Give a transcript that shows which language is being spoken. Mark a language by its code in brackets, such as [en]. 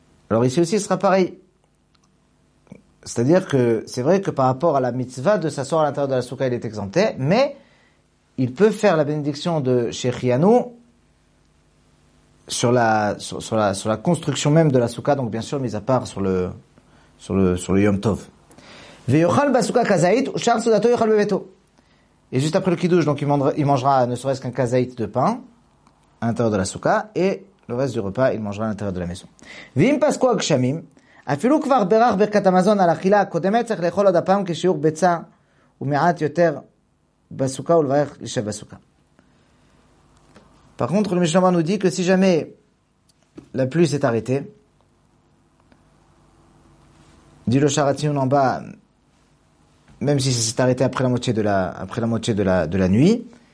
[fr] Alors ici aussi, ce sera pareil. C'est-à-dire que c'est vrai que par rapport à la mitzvah de s'asseoir à l'intérieur de la soukha, il est exempté, mais il peut faire la bénédiction de Sheikh Yanou sur la construction même de la soukha, donc bien sûr, mis à part sur le Yom Tov. [he] Ve'yochal basoukha kazaït, ushar soudato yochal beveto. [fr] Et juste après le kiddush, donc il mangera ne serait-ce qu'un kazaït de pain à l'intérieur de la soukha, et le reste du repas, il mangera à l'intérieur de la maison. [he] Vim pasko akshamim. אפילו כבר ברח ברכת המזון על אכילה הקודמת צריך לאכול עוד הפעם כשיעור ביצה ומעט יותר בסוכה ולברך לשב בסוכה. [fr] Par contre, le Mishnah Moura nous dit que si jamais la pluie s'est arrêtée, dit le Shaar HaTzion en bas, même si ça s'est arrêté après la moitié de la nuit,